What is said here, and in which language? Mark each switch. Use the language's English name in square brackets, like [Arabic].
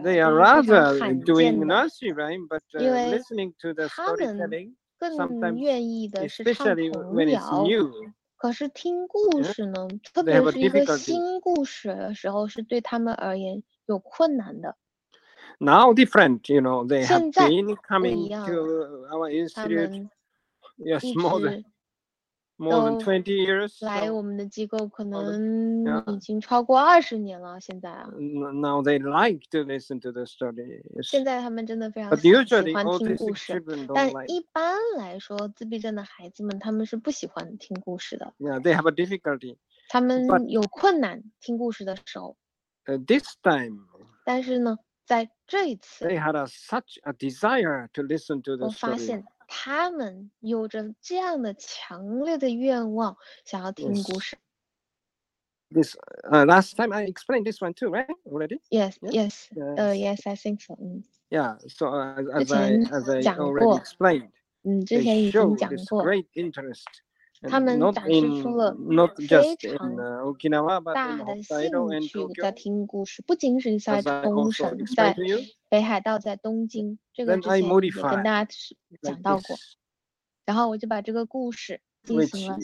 [English] They are rather doing nursery rhyme, but listening to the storytelling. [Chinese] 他们更愿意的是唱童谣。可是听故事呢，特别是一个新故事的时候，是对他们而言有困难的。 [English] Now different, you know, they have been coming to our institute, yes, more than 20 years. [Chinese] 来我们的机构可能已经超过20年了，现在啊。 [English] Now they like to listen to the story. [Chinese] 现在他们真的非常喜欢听故事，但一般来说，自闭症的孩子们他们是不喜欢听故事的。 [English] Yeah, they have a difficulty. [Chinese] 他们有困难听故事的时候。 [English] This time. [Chinese] 但是呢，在这一次 [English] they had such a desire to listen to the story. [Chinese] 我发现他们有着这样的强烈的愿望想要听故事。 [English] This last time I explained this one too, right? Already? Yes. Yes, I think so. Yeah, so as I already explained, they showed this great interest. Not just in Okinawa, but in Hokkaido and Tokyo. [Chinese] 在听故事，不仅仅在冲绳，在北海道，在东京，这个之前也跟大家讲到过。然后我就把这个故事进行了。